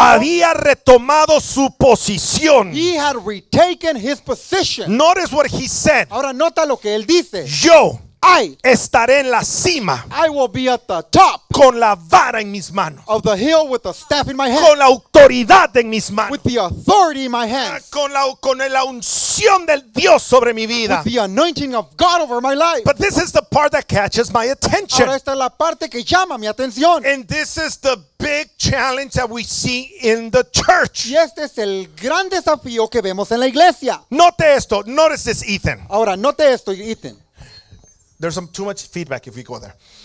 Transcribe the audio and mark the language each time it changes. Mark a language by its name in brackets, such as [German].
[Spanish] Había retomado su posición. [English] He had retaken his position. Notice what he said. [Spanish] Ahora, nota lo que él dice. Yo. [English] I [Spanish] estaré en la cima. [English] I will be at the top. [Spanish] Con la vara en mis manos. [English] Of the hill with the staff in my hand. [Spanish] Con la autoridad en mis manos. [English] With the authority in my hands. [Spanish] Con la unción del Dios sobre mi vida. [English] With the anointing of God over my life. But this is the part that catches my attention. [Spanish] Ahora esta es la parte que llama mi atención. [English] And this is the big challenge that we see in the church. [Spanish] Y este es el gran desafío que vemos en la iglesia. Note esto. [English] Notice this, Ethan. [Spanish] Ahora note esto, Ethan. [English] There's some too much feedback if we go there.